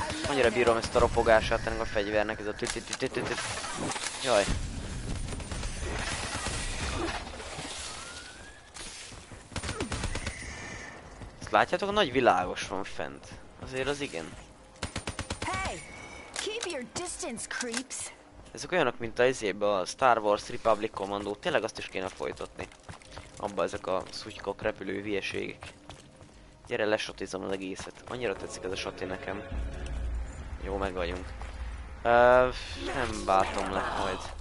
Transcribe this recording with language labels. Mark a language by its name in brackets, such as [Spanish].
[Hungarian] Annyira bírom ezt a ropogását ennek a fegyvernek, ez a tütütütütütüt. Jaj. Ezt látjátok, a nagy világos van fent. Azért az igen. [English] Hey, keep your distance, creeps. [Hungarian] Ezek olyanok, mint a izébe a Star Wars Republic Commando, tényleg azt is kéne folytatni. Abba ezek a szutykok, repülő hülyeségek. Gyere, lesatizom az egészet. Annyira tetszik ez a sati nekem. Jó, meg vagyunk. Nem bátom le majd.